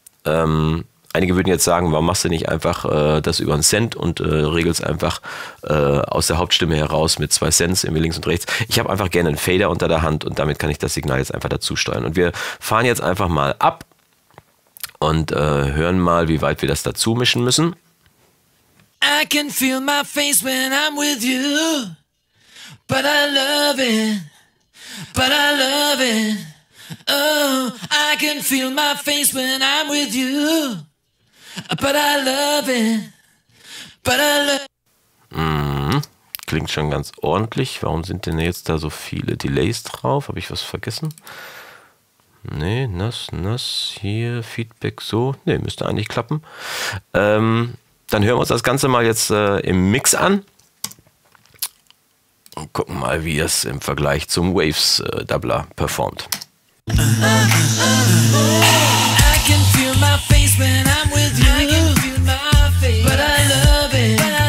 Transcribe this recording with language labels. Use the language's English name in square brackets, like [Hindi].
[German] Einige würden jetzt sagen, warum machst du nicht einfach das über einen Cent und regelst einfach aus der Hauptstimme heraus mit zwei Cents irgendwie links und rechts. Ich habe einfach gerne einen Fader unter der Hand und damit kann ich das Signal jetzt einfach dazu steuern. Und wir fahren jetzt einfach mal ab und hören mal, wie weit wir das dazu mischen müssen. [English] I can feel my face when I'm with you, but I love it, but I love it. Oh, I can feel my face when I'm with you, but I love it, but I love it. [German] Klingt schon ganz ordentlich. Warum sind denn jetzt da so viele Delays drauf? Habe ich was vergessen? Nee, nass, hier, Feedback so. Nee, müsste eigentlich klappen. Dann hören wir uns das Ganze mal jetzt im Mix an. Und gucken mal, wie es im Vergleich zum Waves-Doubler performt. [English] I can feel my face when I'm with you. I can feel my face, but I love it.